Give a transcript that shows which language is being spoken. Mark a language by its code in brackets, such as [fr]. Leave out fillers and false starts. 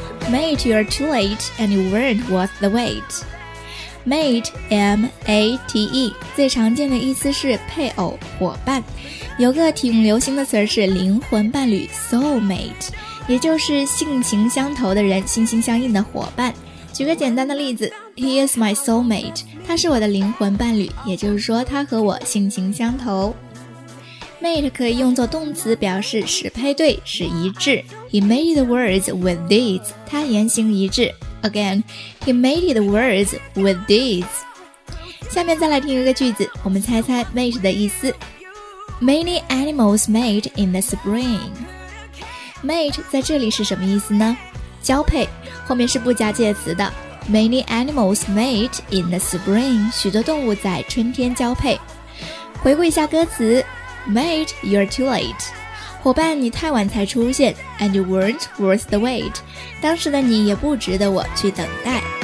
[en] Mate, you're too late and you weren't worth the wait. [zh] Mate, M-A-T-E, 最常见的意思是配偶、伙伴。有个挺流行的词是灵魂伴侣 ,soulmate, 也就是性情相投的人、心心相印的伙伴。举个简单的例子 , [en] He is my soulmate. [zh] 他是我的灵魂伴侣，也就是说他和我性情相投。 Mate 可以用作动词表示使配对、使一致。 [en] He made the words with these, [zh] 他言行一致。 [en] Again, he made the words with these. [zh] 下面再来听一个句子，我们猜猜 Mate 的意思。 [en] Many animals mate in the spring. [zh] Mate 在这里是什么意思呢？交配，后面是不加介词的。 [en] Many animals mate in the spring. [zh] 许多动物在春天交配。回顾一下歌词 [en] ，Mate, you're too late. [zh] 伙伴，你太晚才出现。 [en] And you weren't worth the wait. [zh] 当时的你也不值得我去等待。